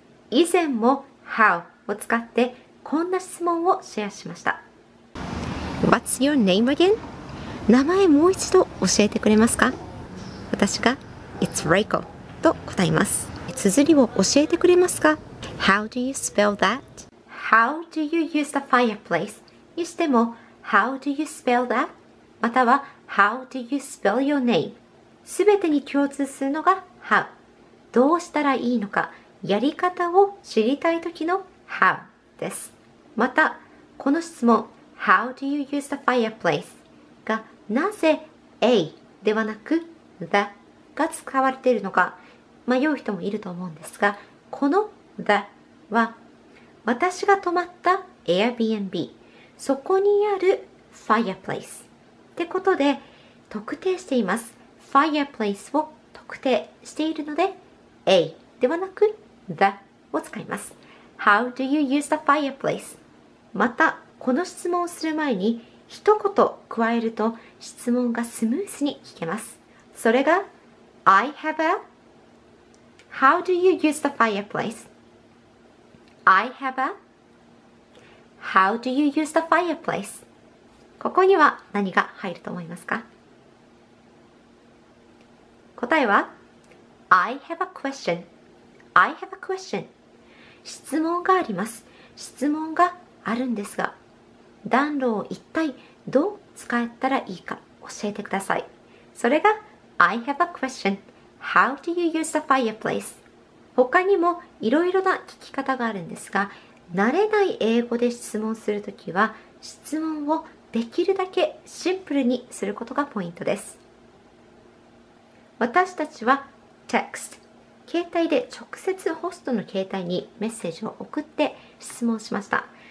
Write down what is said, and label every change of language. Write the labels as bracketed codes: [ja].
[ja] 以前も How を使ってこんな質問をシェアしました。 [en] What's your name again? [ja] 名前もう一度教えてくれますか？私が [en] It's Reiko [ja] と答います。綴りを教えてくれますか？ [en] How do you spell that? How do you use the fireplace? [ja] にしても [en] How do you spell that? [ja] または [en] How do you spell your name? [ja] すべてに共通するのが How。どうしたらいいのか、やり方を知りたいときの How です。またこの質問 [en] How do you use the fireplace [ja] がなぜ A ではなく The が使われているのか迷う人もいると思うんですが、この The は私が泊まった Airbnb、 そこにある fireplace ってことで特定しています。 Fireplace を特定しているので A ではなく The を使います。 [en] How do you use the fireplace? [ja] またこの質問をする前に一言加えると質問がスムースに聞けます。それが [en] I have a How do you use the fireplace? I have a How do you use the fireplace? [ja] ここには何が入ると思いますか？答えは [en] I have a question. I have a question. [ja] 質問があります。質問があるんですが、暖炉を一体どう使ったらいいか教えてください。それが [en] I have a question. How do you use the fireplace? [ja] 他にもいろいろな聞き方があるんですが、慣れない英語で質問するときは質問をできるだけシンプルにすることがポイントです。私たちは text、携帯で直接ホストの携帯にメッセージを送って質問しました。